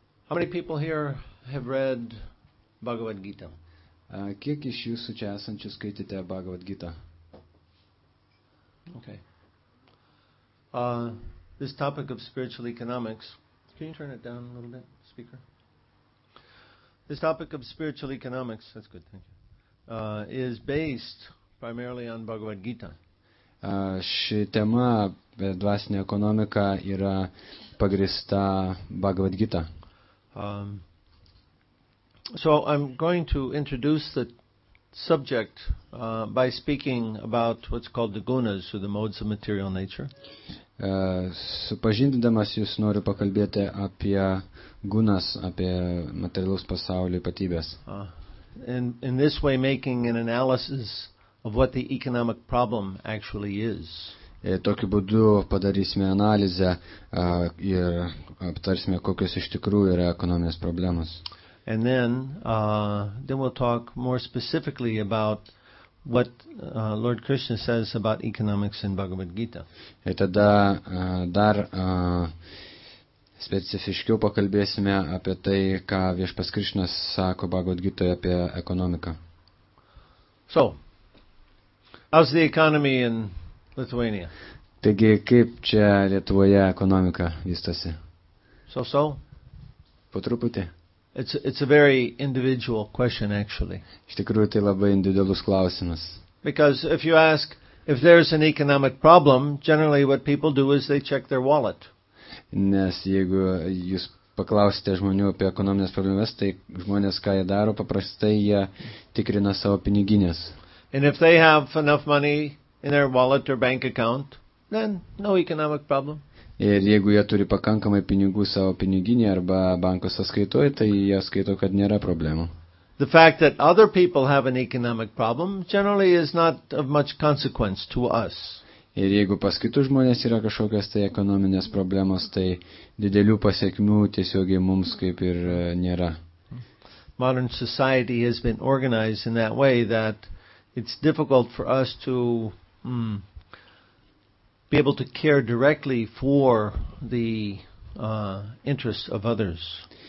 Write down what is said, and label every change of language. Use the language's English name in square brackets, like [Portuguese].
[English] How many people here have read Bhagavad Gita? [Lithuanian] Kiek iš jūsų čia esančių skaitėte Bhagavad Gita? [English] Okay. This topic of spiritual economics. Can you turn it down a little bit, speaker? This topic of spiritual economics, that's good, thank you, is based primarily on Bhagavad Gita. [Lithuanian] Ši tema, dvasinė ekonomika, yra pagrįsta Bhagavad Gita. [English] So I'm going to introduce the subject by speaking about what's called the gunas, or the modes of material nature. [Lithuanian] Supažindindamas jūs noriu pakalbėti apie gunas, apie materialus pasaulio ypatybės. [English] In this way making an analysis of what the economic problem actually is. [Lithuanian] Tokiu būdu padarysime analizę ir aptarsime, kokios iš tikrųjų yra ekonominės problemos. [English] And then we'll talk more specifically about what Lord Krishna says about economics in Bhagavad Gita. [Lithuanian] Ir tada dar specifiškiau pakalbėsime apie tai, ką Viešpats Krishna sako Bhagavad Gitoje apie ekonomiką. [English] So, how's the economy in Lithuania? [Lithuanian] Taigi, kaip čia Lietuvoje ekonomika vystosi? [English] So? [Lithuanian] Po truputį. [English] It's a very individual question, actually. [Lithuanian] Iš tikrųjų, tai labai individualus klausimas. [English] Because if you ask if there's an economic problem, generally what people do is they check their wallet. [Lithuanian] Nes jeigu jūs paklausite žmonių apie ekonomines problemas, tai žmonės, ką jie daro, paprastai jie tikrina savo piniginės. [English] And if they have enough money in their wallet or bank account, then no economic problem. [Lithuanian] Ir jeigu jie turi pakankamai pinigų savo piniginėje arba banko sąskaitoje, tai jie skaito, kad nėra problemų. [English] The fact that other people have an economic problem generally is not of much consequence to us. [Lithuanian] Ir jeigu pas kitus žmonės yra kažkokios tai ekonominės problemos, tai didelių pasiekmių tiesiogiai mums kaip ir nėra. [English] Modern society has been organized in that way that it's difficult for us to be able to care directly for the interests of others.